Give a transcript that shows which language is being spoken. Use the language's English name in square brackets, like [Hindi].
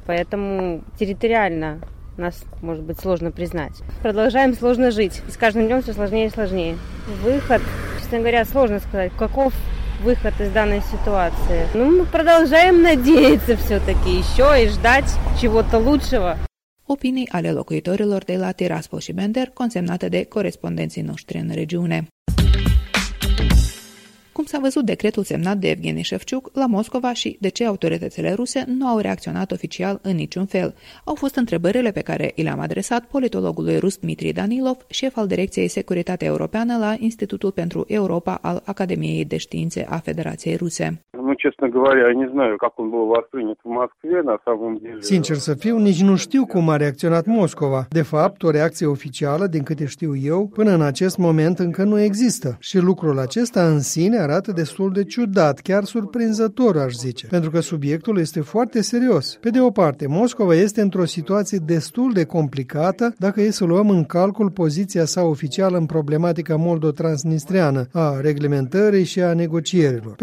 [Russian] Поэтому территориально нас, может быть, сложно признать. Продолжаем сложно жить. И с каждым днем все сложнее и сложнее. Выход, честно говоря, сложно сказать, каков выход из данной ситуации. Ну, мы продолжаем надеяться все-таки еще и ждать чего-то лучшего. [Romanian] Opinii ale locuitorilor de la Tiraspol și Bender, consemnate de corespondenții noștri în regiune. Cum s-a văzut decretul semnat de Evgeni Șefciuc la Moscova și de ce autoritățile ruse nu au reacționat oficial în niciun fel? Au fost întrebările pe care le-am adresat politologului rus Dmitri Danilov, șef al Direcției Securitate Europeană la Institutul pentru Europa al Academiei de Științe a Federației Ruse. [Russian] ну, честно говоря, я не знаю, как он был воспринят в Москве на самом деле. [Romanian] Sincer să fiu, nici nu știu cum a reacționat Moscova. De fapt, o reacție oficială, din câte știu eu, până în acest moment încă nu există. Și lucrul acesta în sine arată destul de ciudat, chiar surprinzător, aș zice. Pentru că subiectul este foarte serios. Pe de o parte, Moscova este într-o situație destul de complicată dacă e să luăm în calcul poziția sa oficială în problematica moldo-transnistreană, a reglementării și a negocierilor.